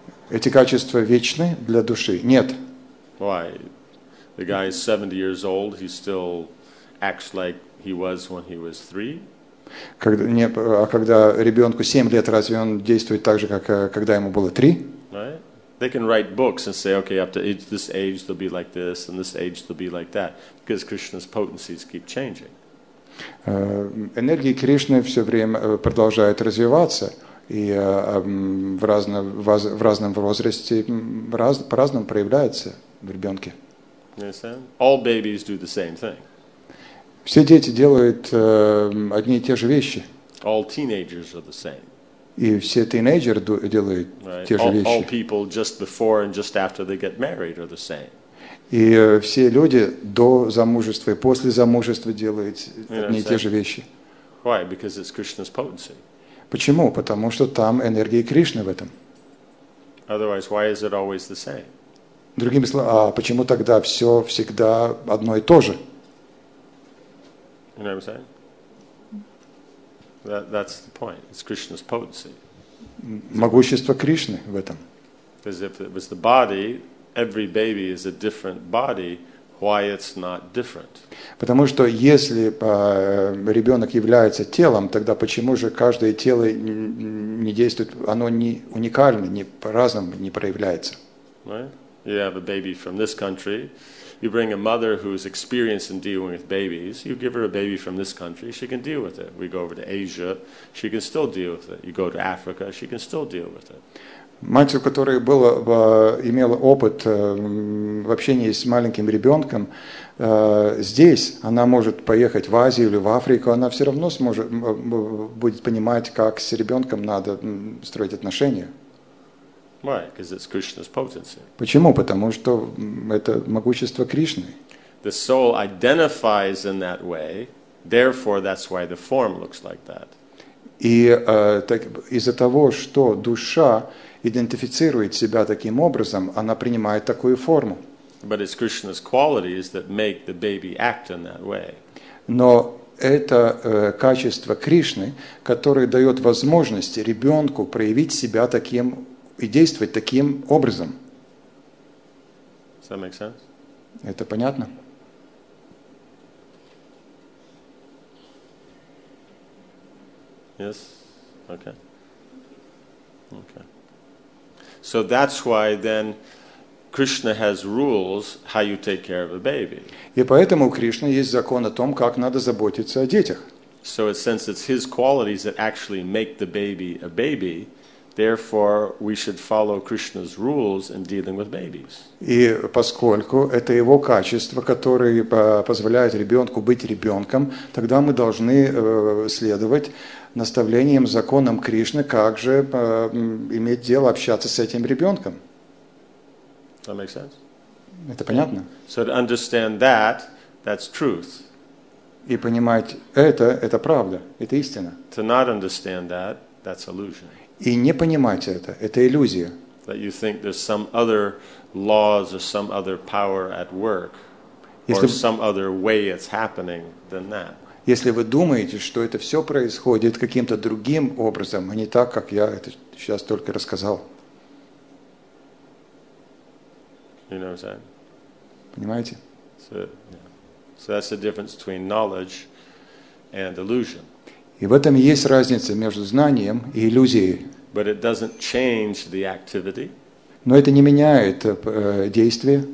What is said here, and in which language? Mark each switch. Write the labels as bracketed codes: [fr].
[ru] Эти качества вечны для души? Нет. [en] Why? The guy is 70 years old, he still acts like he was when he was 3? [ru] Когда ребенку 7 лет, разве он действует так же, как когда ему было 3? [en] Right? They can write books and say, okay, up to this age they'll be like this, and this age they'll be like that, because Krishna's potencies keep changing. [ru] Энергии Кришны все время продолжают развиваться. И в разном возрасте по-разному проявляется в ребенке. [en] All babies do the same thing. [ru] Все дети делают одни и те же вещи. [en] All teenagers are the same. [ru] И все тинейджеры делают [en] right. [ru] те же вещи. [en] All people just before and just after they get married are the same. [ru] И все люди до замужества и после замужества делают одни и те же вещи. [en] Why? Because it's Krishna's potency. [ru] Почему? Потому что там энергия Кришны в этом. [en] Otherwise, why is it always the same? [ru] Другими словами, а почему тогда все всегда одно и то же? [en] You know what I'm saying? That's the point. It's Krishna's potency. [ru] могущество Кришны в этом. [en] Because if it was the body, every baby is a different body. Why it's not different? [ru] Потому что если ребенок является телом, тогда почему же каждое тело не действует? Оно не уникально, не по-разному не проявляется. [en] Right? You have a baby from this country. You bring a mother who is experienced in dealing with babies. You give her a baby from this country. She can deal with it. We go over to Asia. She can still deal with it. You go to Africa. She can still deal with it. [ru] Мать, у которой было, имела опыт в общении с маленьким ребенком, здесь она может поехать в Азию или в Африку, она все равно сможет, будет понимать, как с ребенком надо строить отношения. [en] Why? Because it's Krishna's potency. [ru] Почему? Потому что это могущество Кришны. [en] The soul identifies in that way, therefore that's why the form looks like that. [ru] И так, из-за того, что душа идентифицирует себя таким образом, она принимает такую форму. [en] But it's Krishna's qualities that make the baby act in that way. [ru] Но это качество Кришны, которое дает возможность ребенку проявить себя таким и действовать таким образом. [en] Does that make sense? [ru] Это понятно? [en] Yes? Okay. Okay. So that's why then Krishna has rules how you take care of a baby. [ru] И поэтому у Кришны есть закон о том, как надо заботиться о детях. [en] So it, since it's his qualities that actually make the baby a baby, therefore we should follow Krishna's rules in dealing with babies. [ru] И поскольку это его качество, которое позволяет ребенку быть ребенком, тогда мы должны следовать наставлением, законом Кришны, как же иметь дело, общаться с этим ребенком. [en] That makes sense? [ru] Это понятно? [en] So to understand that, that's truth. [ru] И понимать это правда, это истина. [en] To not understand that, that's illusion. [ru] И не понимать это иллюзия. [en] That you think there's some other laws or some other power at work, or some other way it's happening than that. [ru] Если вы думаете, что это все происходит каким-то другим образом, а не так, как я это сейчас только рассказал. [en] You know what I'm saying? [ru] Понимаете? [en] So, yeah. So that's the difference between knowledge and illusion. [ru] И в этом и есть разница между знанием и иллюзией. [en] But it doesn't change the activity. [ru] Но это не меняет действие.